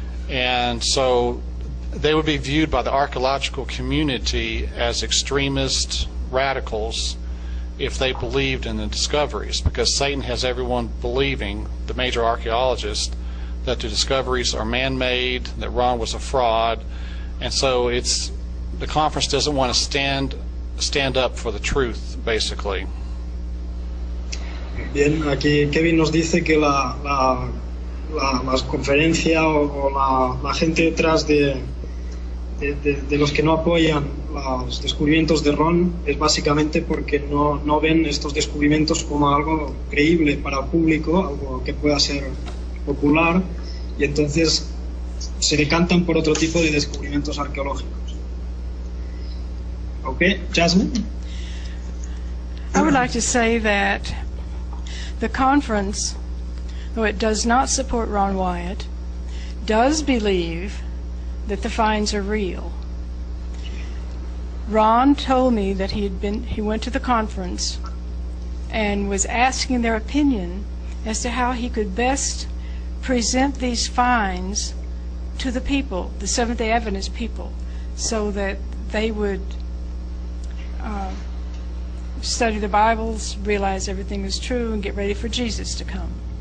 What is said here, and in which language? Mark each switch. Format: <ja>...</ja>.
<en>And so they would be viewed by the archaeological community as extremist radicals if they believed in the discoveries, because Satan has everyone believing, the major archaeologists, that the discoveries are man-made, that Ron was a fraud. And so it's the conference doesn't want to stand up for the truth, basically.</en> <es>Bien, aquí Kevin nos dice que las conferencias o la gente detrás de los que no apoyan los descubrimientos de Ron es básicamente porque no ven estos descubrimientos como algo creíble para el público, algo que pueda ser popular, y entonces se decantan por otro tipo de descubrimientos arqueológicos.</es> <en>Okay, Jasmine? I would like to say that the conference, though it does not support Ron Wyatt, does believe that the finds are real. Ron told me that he went to the conference and was asking their opinion as to how he could best present these finds to the people, the Seventh-day Adventist people, so that they would study the Bibles, realize everything is true, and get ready for Jesus to come.</en>